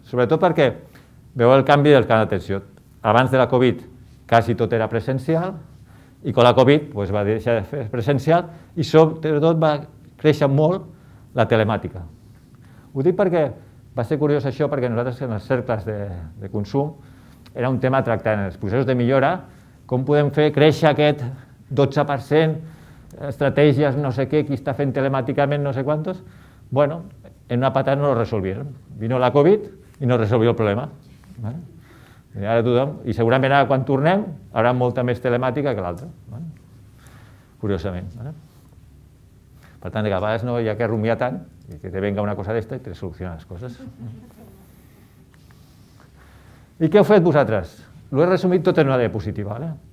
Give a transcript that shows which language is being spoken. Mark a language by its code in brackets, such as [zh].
[ca] Sobretot perquè veu el canvi del canal d'atenció. Abans de la Covid quasi tot era presencial i quan la Covid pues, va deixar de fer presencial i sobretot va créixer molt la telemàtica. Ho dic perquè va ser curiós això perquè nosaltres en els cercles de consum era un tema tractant els processos de millora, com podem fer créixer aquest 12%, estratègies, no sé què, qui està fent telemàticament, no sé quantos, [es] Bueno, en una patada no lo resolvieron. Vino la Covid i no resolvió el problema. [ca] I ara tothom, i segurament ara quan tornem, haurà molta més telemàtica que l'altra. Curiosament. Per tant, a vegades no hi ha que rumiar tant, i [es] que te venga una cosa [ca] d'esta i te soluciona les coses. I què heu fet vosaltres? Ho he resumit tot en una diapositiva. ¿Vale?